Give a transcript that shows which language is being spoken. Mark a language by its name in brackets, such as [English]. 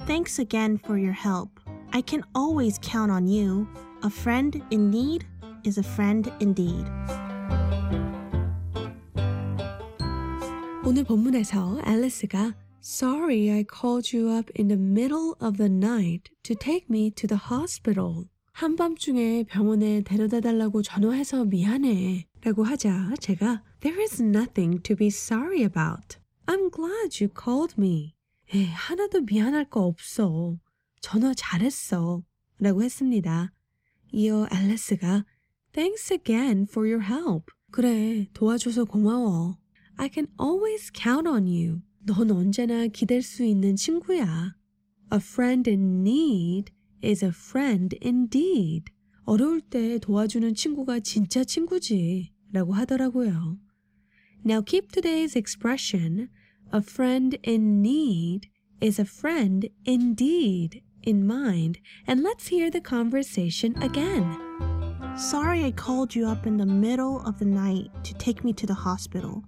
[English] Thanks again for your help. I can always count on you. A friend in need is a friend indeed. [Korean] 오늘 본문에서 앨리스가 [English] Sorry, I called you up in the middle of the night to take me to the hospital. [Korean] 한밤중에 병원에 데려다달라고 전화해서 미안해 라고 하자 제가 [English] There is nothing to be sorry about. I'm glad you called me. [Korean] 에이, 하나도 미안할 거 없어. 전화 잘했어 라고 했습니다. 이어 앨리스가 [English] Thanks again for your help. [Korean] 그래, 도와줘서 고마워. [English] I can always count on you. [Korean] 넌 언제나 기댈 수 있는 친구야. [English] A friend in need is a friend indeed. [Korean] 어려울 때 도와주는 친구가 진짜 친구지 라고 하더라고요. [English] Now keep today's expression, a friend in need is a friend indeed, in mind. And let's hear the conversation again. Sorry I called you up in the middle of the night to take me to the hospital.